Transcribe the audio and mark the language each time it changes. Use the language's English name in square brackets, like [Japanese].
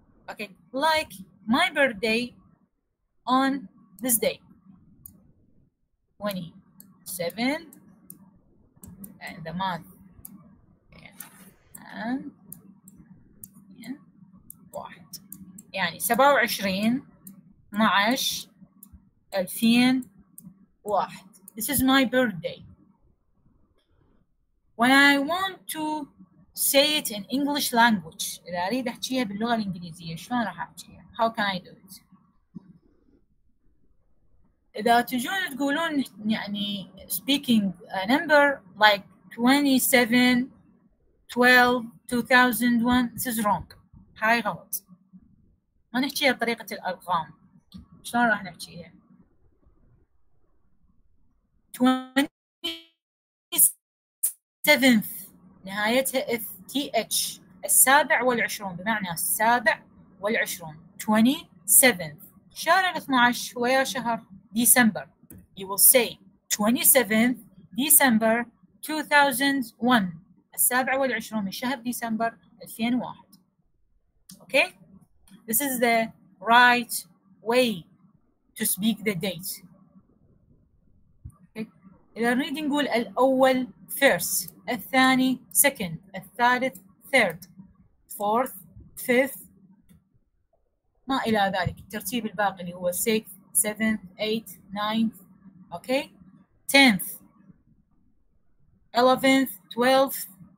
[English] Okay, like my birthday on this day, 27, and the month, and يعني 27/12/2001. This is my birthday. When I want to say it in English language, [Arabic] إذا أريد أحكيها باللغة الإنجليزية، شلون راح أحكيها؟ [English] How can I do it? [Arabic] إذا تجون تقولون يعني [English] speaking a number like 27/12/2001, this is wrong. [Arabic] هاي غلط. ما نحكيها بطريقة الأرقام. شلون راح نحكيها؟ 27th نهايتها th. السابع والعشرون بمعنى السابع والعشرون. 27th شهر 12 ويا شهر ديسمبر. [English] You will say 27th December 2001. [Arabic] السابع والعشرون من شهر ديسمبر 2001. [English] Okay? This is the right way to speak the date. [Arabic] Okay. إذا نريد نقول الأول first، الثاني second، الثالث third، fourth، fifth، ما إلى ذلك، الترتيب الباقي اللي هو sixth، seventh، eighth، ninth، okay، tenth، eleventh، twelfth.